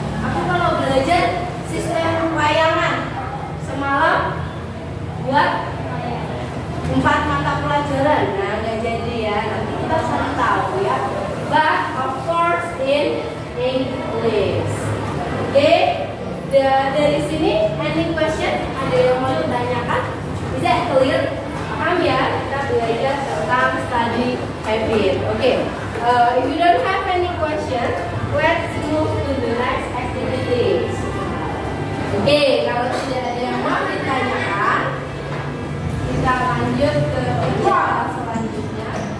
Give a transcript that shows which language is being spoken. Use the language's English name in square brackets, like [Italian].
[Indonesian] Aku kalau belajar sistem bayangan semalam buat 4 mata pelajaran, nah nggak jadi ya. Nanti kita saling tahu ya. [English] But of course in English. [Indonesian] Oke, dari sini [English] any question? [Indonesian] Ada yang mau ditanyakan? [English] Is that clear? [Indonesian] Paham ya? Kita belajar tentang study habit. [English] Oke, if you don't have any question, let's move to the next activities. [Indonesian] Oke, kalau tidak ada yang mau ditanyakan, kita lanjut ke wall selanjutnya.